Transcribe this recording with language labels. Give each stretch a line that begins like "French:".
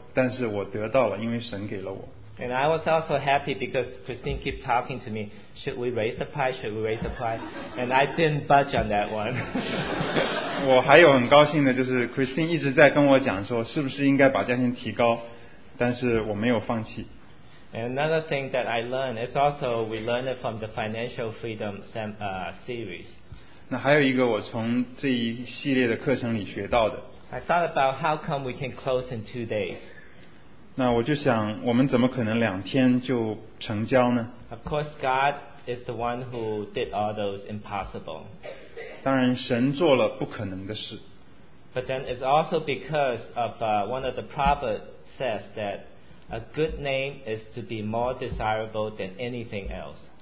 Chinese: 结果神很有恩典，他让我知道我并不是出价钱最高的，但是我得到了，因为神给了我。
English: And I was also happy because Christine kept talking to me, should we raise the price, should we raise the price? And I didn't budge on that one.
Chinese: 我还有很高兴的就是 Christine 一直在跟我讲说是不是应该把价钱提高。但是我没有放弃。
English: Another thing that I learned is also we learned it from the Financial Freedom series.
Chinese: 那还有一个我从这一系列的课程里学到的。
English: I thought about how come we can close in 2 days.
Chinese: 那我就想我们怎么可能2天就成交呢?
English: Of course God is the one who did all those impossible.
Chinese: 当然神做了不可能的事。
English: But then it's also because of one of the prophets says that a good name is to be more desirable than anything else.